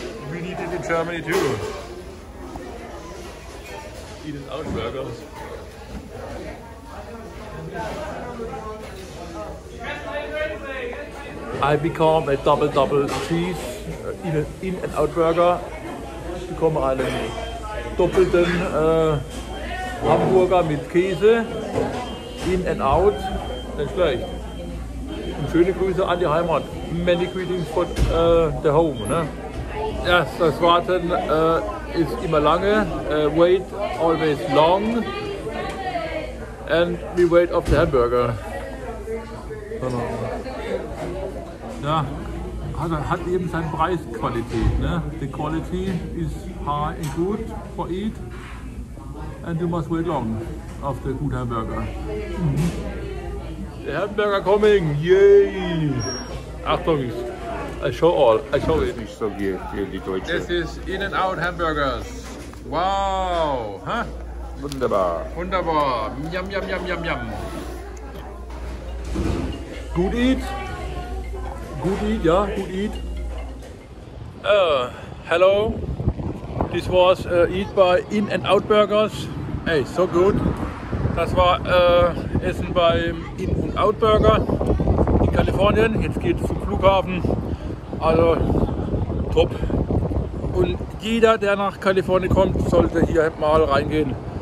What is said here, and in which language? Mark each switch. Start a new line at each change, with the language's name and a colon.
English: We need it in Germany too. In-N-Out Burgers. I become a double double cheese in and out burger.
German: Ich bekomme einen doppelten Hamburger mit Käse. In and out. Nicht schlecht. Und schöne Grüße an die Heimat.
English: Many greetings for the home.
German: Ne? Yes, das Warten ist immer lange.
English: Wait always long. And we wait for the hamburger.
German: Ja, hat eben seine Preisqualität, ne?
English: The quality is high and good for eat. And you must wait long for the good hamburger. The hamburger coming, yay! Achtung, I show it.
German: Nicht so viel, die Deutsche.
English: This is In-N-Out hamburgers. Wow, huh?
German: Wunderbar. Yum, yum, yum, yum, yum.
English: Good eat. Good eat, ja, good eat. Hello. This was eat by In-N-Out Burgers. Hey, so good.
German: Das war Essen beim In-N-Out Burger in Kalifornien. Jetzt geht's zum Flughafen. Also, top. Und jeder, der nach Kalifornien kommt, sollte hier mal reingehen.